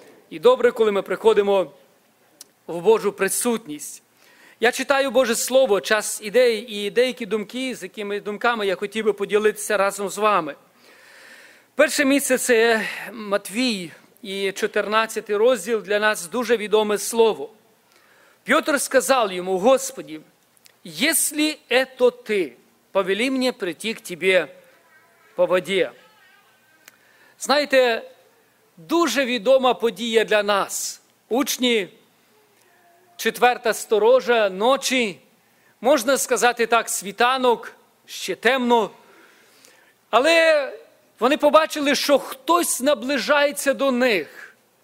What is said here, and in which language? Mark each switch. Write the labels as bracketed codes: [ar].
[uk] І добре, коли ми приходимо в Божу присутність. Я читаю Боже Слово, час ідеї і деякі думки, з якими думками я хотів би поділитися разом з вами. Перше місце – це Матвій. І 14 розділ для нас дуже відоме слово. [ru] Петр сказав йому: «Господи, если это ты, повели мне прийти к тебе по воде». [uk] Знаєте, дуже відома подія для нас. Учні, четверта сторожа, ночі, можна сказати так, світанок, ще темно. Але вони побачили, що хтось наближається до них.